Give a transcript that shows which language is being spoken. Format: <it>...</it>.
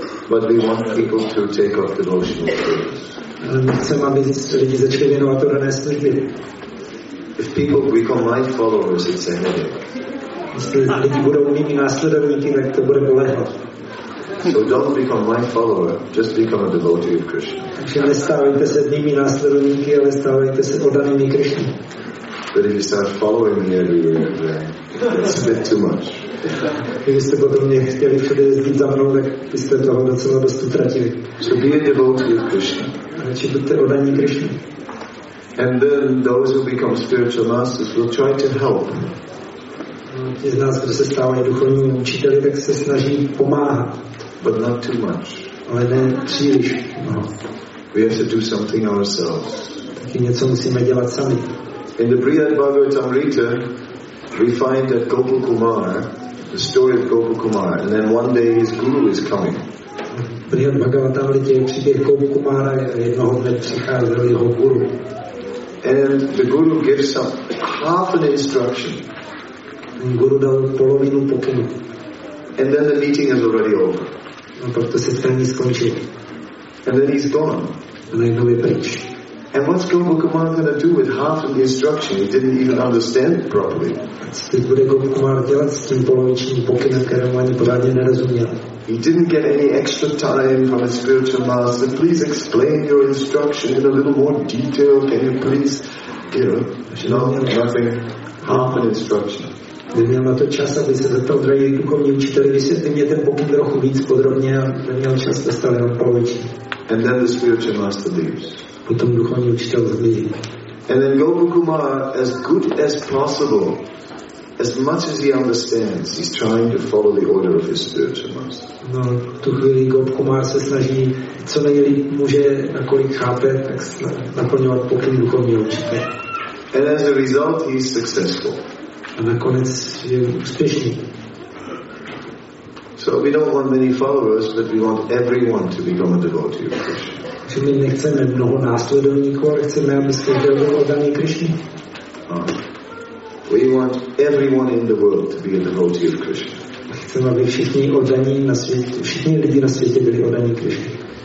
<en>But we want people to take off devotional service.</en> <cs>My chceme, aby lidi začali věnovat odané služby.</cs> <en>If people become my followers, it's a headache.</en> <cs>A lidi budou mými následovníky, tak to bude bolehlo.</cs> <en>So don't become my follower, just become a devotee of Krishna.</en> <cs>Takže nestávajte se mými následovníky, ale stávajte se oddanými Krishna.</cs> <en>But if you start following me every year, it's a bit too much.</en> <cs>Kdybyste potom mě chtěli všude jezdit za mnou, tak byste toho docela dost utratili.</cs> <en>So be a devotee of Krishna.</en> <cs>Radši buďte oddaní Krishna.</cs> <en>And then those who become spiritual masters will try to help.</en> <cs>Ti z nás, kdo se stávají duchovními učiteli, tak se snaží pomáhat.</cs> <en>But not too much.</en> <cs>Ale ne příliš. No.</cs> <en>We have to do something ourselves.</en> <cs>Taky něco musíme dělat sami.</cs> <en>In the Brihad Bhagavatamrita, we find that Gopal Kumar, the story of Gopal Kumar, and then one day his guru is coming.</en> <cs>Brihad Bhagavatamrita je příběh Gopal Kumara, jednoho dne přicházel jeho guru.</cs> <en>And the guru gives some half an instruction.</en> <cs>Guru dal polovinu pokynu.</cs> <en>And then the meeting is already over.</en> <cs>A pak to setkání skončilo.</cs> <en>And then he's gone.</en> <cs>A najednou je pryč.</cs> <en>And what's Gopal Kumar going to do with half of the instruction? He didn't even understand it properly.</en> <cs>Co teď bude Gopal Kumar dělat s tím polovičním pokynem, kterému ani pořádně nerozuměl?</cs> <en>He didn't get any extra time from his spiritual master. Please explain your instruction in a little more detail. Can you please, nothing. Half an instruction.</en> <cs>Neměl na to čas, aby se zeptal drahý duchovní učitel, vysvětli mě ten pokyn trochu víc podrobně a neměl čas, dostal jenom poloviční.</cs> <en>And then the spiritual master leaves.</en> <cs>Potom duchovní učitel zmizí.</cs> <en>And then Gopal Kumar, as good as possible, as much as he understands, he's trying to follow the order of his spiritual master.</en> <cs>No, tu chvíli Gopal Kumar se snaží, co nejlíp může, nakolik chápe, tak naplňovat pokyn duchovního učitele.</cs> <en>And as a result, he's successful.</en> <cs>A nakonec je úspěšný.</cs> <en>So we don't want many followers, but we want everyone to become a devotee of Krishna.</en> <cs>Čili nechceme mnoho následovníků, ale chceme, aby se byli oddaní Krishna.</cs> <en>We want everyone in the world to be a devotee of Krishna.</en> <cs>Chceme, aby všichni oddaní na světě, všichni lidi na světě byli oddaní Krishna.</cs>